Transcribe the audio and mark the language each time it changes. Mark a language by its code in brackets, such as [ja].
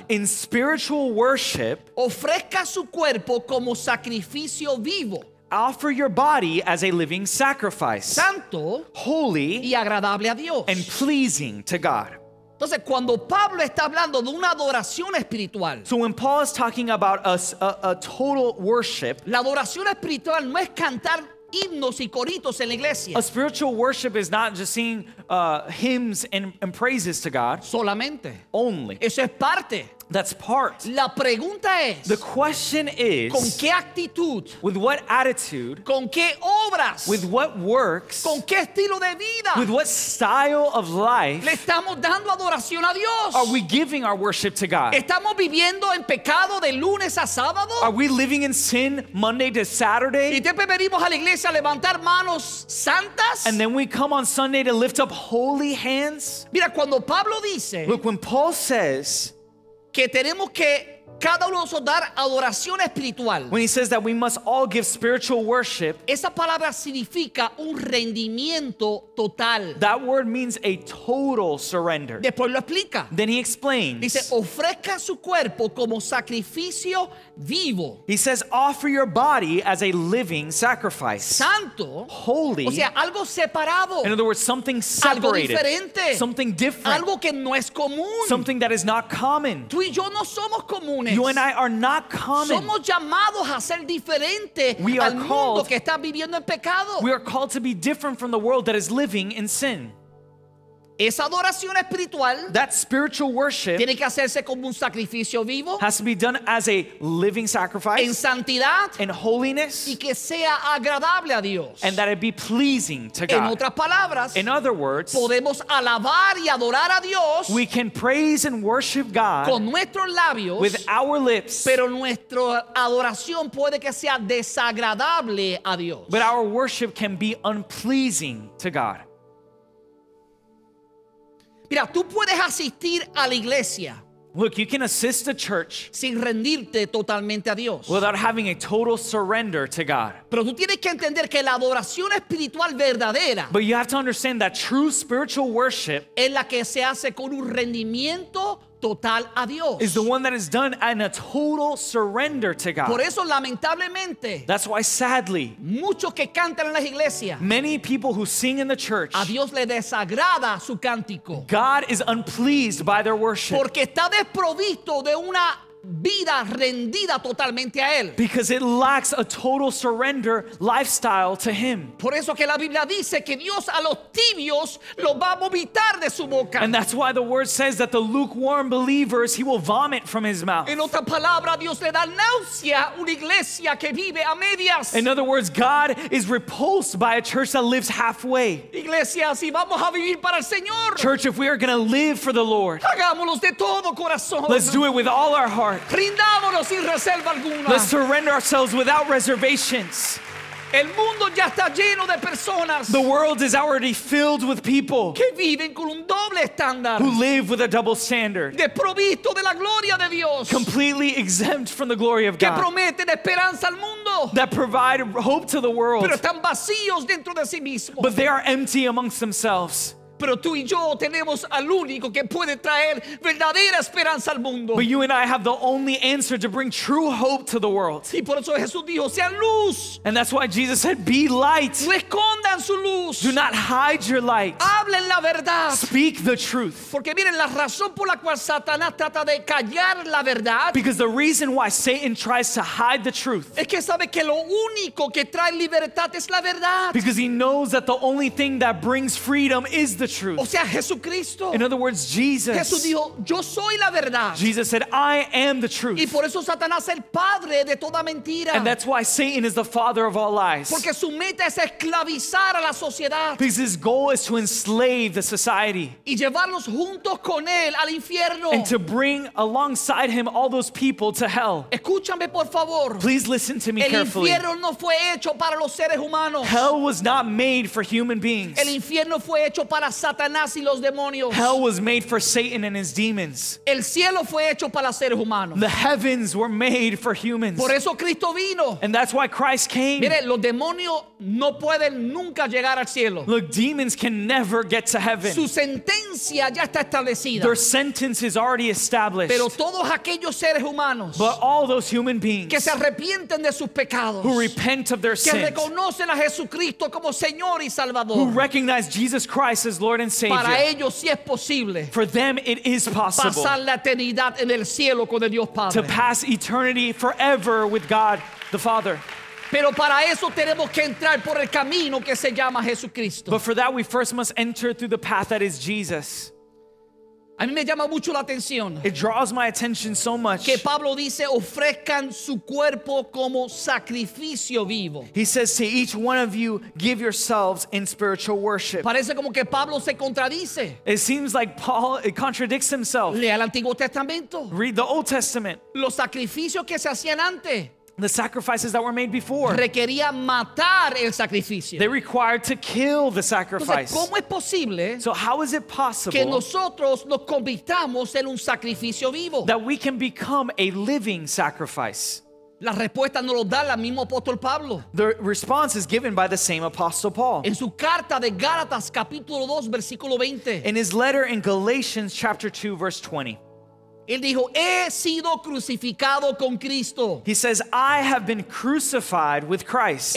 [en] in spiritual worship, [es] ofrezca su cuerpo como sacrificio vivo, [en] offer your body as a living sacrifice, [es] santo, [en] holy, [es] y agradable a Dios, [en] and pleasing to God. [es] Entonces, cuando Pablo está hablando de una adoración espiritual, [en] so when Paul is talking about a total worship, [es] la adoración espiritual no es cantar himnos y coritos en la iglesia. [en] A spiritual worship is not just singing hymns and praises to God. [es] Solamente. [en] Only. [es] Eso es parte. [en] That's part. [es] La pregunta es, [en] the question is, [es] ¿con qué actitud? [en] With what attitude? [es] ¿Con qué obras? [en] With what works? [es] ¿Con qué estilo de vida? [en] With what style of life? [es] ¿Le estamos dando adoración a Dios? [en] Are we giving our worship to God? [es] ¿Estamos viviendo en pecado de lunes a sábado? [en] Are we living in sin Monday to Saturday? [es] ¿Y te pedimos a la iglesia levantar manos santas? [en] And then we come on Sunday to lift up holy hands? [es] Mira, cuando Pablo dice, [en] look, when Paul says, [es] que tenemos que cada uno de nosotros dar adoración espiritual. [en] When he says that we must all give spiritual worship, [es] esa palabra significa un rendimiento total. [en] That word means a total surrender. [es] Después lo explica. [en] Then he explains. [es] Dice, ofrezca su cuerpo como sacrificio vivo. [en] He says, offer your body as a living sacrifice. [es] Santo. [en] Holy. [es] O sea, algo separado. [en] In other words, something separated. [es] Algo diferente. [en] Something different. [es] Algo que no es común. [en] Something that is not common. [es] Tú y yo no somos comunes. [en] You and I are not common. [es] Somos llamados a ser diferente al mundo que está viviendo en pecado. [en] We are called to be different from the world that is living in sin. [es] Esa adoración espiritual, [en] that spiritual worship, [es] tiene que hacerse como un sacrificio vivo, [en] has to be done as a living sacrifice, [es] en santidad, [en] in holiness, [es] y que sea agradable a Dios, [en] and that it be pleasing to God. [es] En otras palabras, [en] in other words, [es] podemos alabar y adorar a Dios, [en] we can praise and worship God, [es] con nuestros labios, [en] with our lips, [es] pero nuestra adoración puede que sea desagradable a Dios. [en] But our worship can be unpleasing to God. [es] Mira, tú puedes asistir a la iglesia. [en] Look, you can assist a church [es] sin rendirte totalmente a Dios. [en] Without having a total surrender to God. [es] Pero tú tienes que entender que la adoración espiritual verdadera, [en] but you have to understand that true spiritual worship, [es] es la que se hace con un rendimiento total a Dios, [en] is the one that is done in a total surrender to God. [es] Por eso, lamentablemente, [en] that's why sadly, [es] muchos que cantan en las iglesias, [en] many people who sing in the church, [es] a Dios le desagrada su cántico. [en] God is unpleased by their worship. [es] Porque está desprovisto de una vida rendida totalmente a él. [en] Because it lacks a total surrender lifestyle to him. [es] Por eso que la Biblia dice que Dios a los tibios los va a vomitar de su boca. [en] And that's why the word says that the lukewarm believers he will vomit from his mouth. [es] En otra palabra, Dios le da náusea una iglesia que vive a medias. [en] In other words, God is repulsed by a church that lives halfway. [es] Iglesia, si vamos a vivir para el Señor, [en] church, if we are going to live for the Lord, [es] hagámoslos de todo corazón. [en] Let's do it with all our heart. Let's surrender ourselves without reservations. [es] El mundo ya está lleno de personas. [en] The world is already filled with people [es] que viven con un doble estándar. [en] Who live with a double standard. [es] Desprovisto de la gloria de Dios. [en] Completely exempt from the glory of [es] que [en] God. [es] Que prometen esperanza al mundo. [en] That provide hope to the world. [es] Pero están vacíos dentro de sí mismos. [en] But they are empty amongst themselves. [es] Pero tú y yo tenemos al único que puede traer verdadera esperanza al mundo. [en] But you and I have the only answer to bring true hope to the world. [es] Y por eso Jesús dijo, sea luz. [en] And that's why Jesus said, be light. [es] No escondan su luz. [en] Do not hide your light. [es] Hablen la verdad. [en] Speak the truth. [es] Porque miren, la razón por la cual Satanás trata de callar la verdad, [en] because the reason why Satan tries to hide the truth, [es] es que sabe que lo único que trae libertad es la verdad. [en] Because he knows that the only thing that brings freedom is the truth. [es] O sea, Jesucristo. [en] In other words, Jesus. [es] Jesús dijo, yo soy la verdad. [en] Jesus said, I am the truth. [es] Y por eso Satanás es el padre de toda mentira. [en] And that's why Satan is the father of all lies. [es] Porque su meta es esclavizar a la sociedad. [en] Because his goal is to enslave the society. [es] Y llevarlos juntos con él al infierno. [en] And to bring alongside him all those people to hell. [es] Escúchame, por favor. [en] Please listen to me [es] el [en] carefully. [es] El infierno no fue hecho para los seres humanos. [en] Hell was not made for human beings. [es] El infierno fue hecho para Satanás y los demonios. [en] Hell was made for Satan and his demons. [es] El cielo fue hecho para seres humanos. [en] The heavens were made for humans. [es] Por eso Cristo vino. [en] And that's why Christ came. [es] Mire, los demonios no pueden nunca llegar al cielo. [en] Look, demons can never get to heaven. [es] Su sentencia ya está establecida. [en] Their sentence is already established. [es] Pero todos aquellos seres humanos, [en] but all those human beings, [es] que se arrepienten de sus pecados, [en] who repent of their [es] que [en] sins, [es] que reconocen a Jesucristo como Señor y Salvador, [en] who recognize Jesus Christ as Lord and Savior, [es] para ellos sí es posible, [en] for them it is possible, [es] pasar la eternidad en el cielo con el Dios Padre, [en] to pass eternity forever with God the Father. [es] Pero para eso tenemos que entrar por el camino que se llama Jesucristo. [en] But for that we first must enter through the path that is Jesus. [es] A mí me llama mucho la atención. [en] It draws my attention so much. [es] Que Pablo dice, ofrezcan su cuerpo como sacrificio vivo. [en] He says to each one of you, give yourselves in spiritual worship. [es] Parece como que Pablo se contradice. [en] It seems like Paul contradicts himself. [es] Lea el Antiguo Testamento. [en] Read the Old Testament. [es] Los sacrificios que se hacían antes. [en] The sacrifices that were made before. [es] Requería matar el sacrificio. [en] They required to kill the sacrifice. [es] Entonces, ¿cómo es posible? [en] So how is it possible [es] que nosotros nos convirtamos en un sacrificio vivo? [en] That we can become a living sacrifice. [es] La respuesta nos lo da el mismo apóstol Pablo. [en] The response is given by the same apostle Paul. [es] En su carta de Gálatas capítulo 2 versículo 20. [en] In his letter in Galatians chapter 2 verse 20. [es] Él dijo, he sido crucificado con Cristo. [en] He says, I have been crucified with Christ.